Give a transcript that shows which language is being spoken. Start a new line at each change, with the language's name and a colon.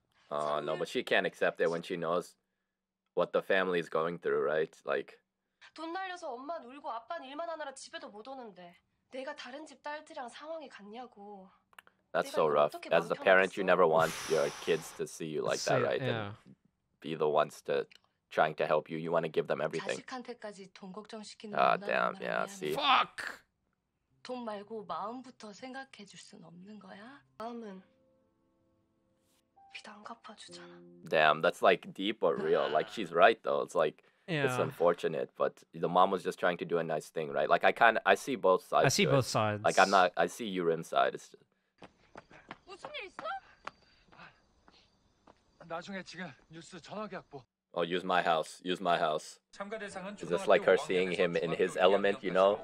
English: Oh no, but she can't accept it when she knows what the family is going through, right? Like.
Korean: 돈 날려서 엄마는 울고 아빠는 일만 하느라 집에도 못 오는데 내가 다른 집 딸들이랑 상황이 같냐고.
English: That's so rough. As a parent, you never want your kids to see you like that, right? Yeah. And be the ones to trying to help you. You want to give them everything.
Korean: 자식한테까지 돈 걱정시키는
English: damn, yeah, see. Fuck.
Korean: 돈 말고 마음부터 생각해 줄 순 없는 거야? 마음은 빚 안 갚아 주잖아.
English: Damn, that's like deep or real. Like she's right though. It's like it's unfortunate, but the mom was just trying to do a nice thing, right? Like I see both sides. I see both sides. Like I'm not I see your side. It's just
Korean: 무슨 일 있어? 나중에 지금 뉴스 전화기 확보.
English: Oh, use my house. Use my house. Is this like her seeing him in his element, you know?